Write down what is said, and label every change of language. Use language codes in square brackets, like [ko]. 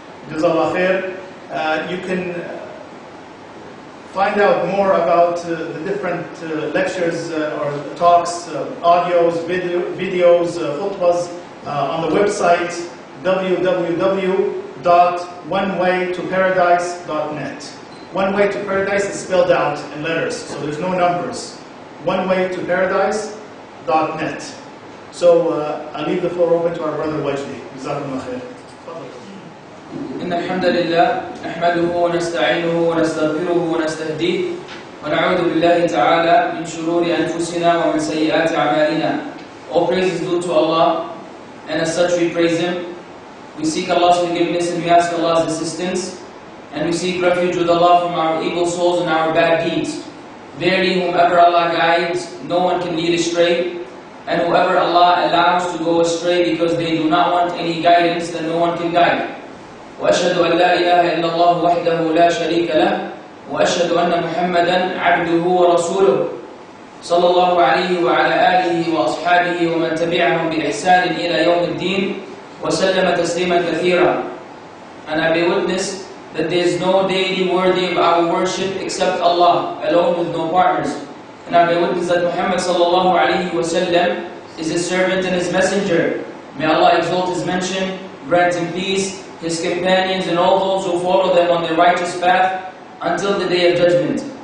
[en] Jazallah khair. You can find out more about the different lectures or talks, audios, videos, khutbahs, on the website www.onewaytoparadise.net. One way to paradise is spelled out in letters, so there's no numbers. Onewaytoparadise.net. So I leave the floor open to our brother Wajdi. Jazakumullah khair. [ar] إن الحمد لله نحمده ونستعينه ونستغفره ونستهديه ونعوذ بالله تعالى من شرور أنفسنا ومن سيئات أعمالنا. [en] All praise is due to Allah, and as such we praise Him. We seek Allah's forgiveness and we ask Allah's assistance. And we seek refuge with Allah from our evil souls and our bad deeds. Verily, whomever Allah guides, no one can lead astray. And whoever Allah allows to go astray because they do not want any guidance, then no one can guide. [ar] وأشهد أن لا إله إلا الله وحده لا شريك له وأشهد أن محمدا عبده ورسوله صلى الله عليه وعلى آله وأصحابه ومن تبعهم بإحسان إلى يوم الدين وسلم تسليما كثيرا. [en] And I be witness that there is no deity worthy of our worship except Allah alone with no partners. And I be witness that Muhammad [ar] صلى الله عليه وسلم [en] is his servant and his messenger. May Allah exalt his mention, grant him peace, his companions and all those who follow them on their righteous path until the day of judgment.